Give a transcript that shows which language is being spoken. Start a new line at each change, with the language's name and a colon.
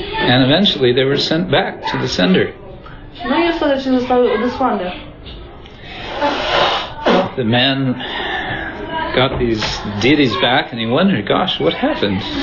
English: And eventually they were sent back to the sender.
Polish: No i ostatecznie zostały odesłane.
English: The man got these deities back and he wondered, gosh, what happened?